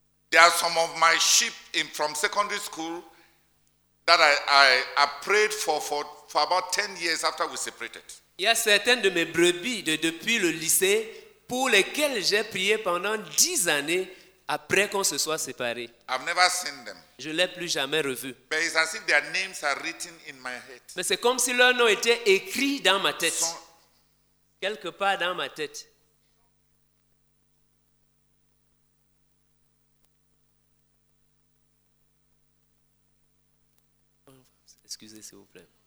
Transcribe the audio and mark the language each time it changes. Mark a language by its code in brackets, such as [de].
[en] There are some of my sheep from secondary school that I prayed for about 10 years after we separated. [fr] Il y a certaines de mes brebis de depuis le lycée pour lesquelles j'ai prié pendant 10 années après qu'on se soit séparés. [en] I've never seen them. [fr] Je ne l'ai plus jamais revu. [en] But it's as if their names are written in my head. [fr] Mais c'est comme si leur nom était écrit dans ma tête. Quelque part dans ma tête. Excusez, s'il vous plaît.